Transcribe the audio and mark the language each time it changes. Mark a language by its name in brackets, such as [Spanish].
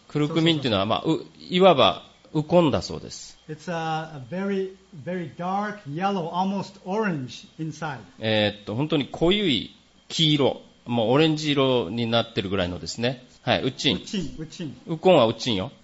[Japanese] クルクミンっていうのはまあいわばウコンだそうです。 [English] It's a very, very dark yellow, almost orange inside. [Japanese] 本当に濃い黄色、もうオレンジ色になってるぐらいのですね。はい、ウチン。ウコンはウチンよ。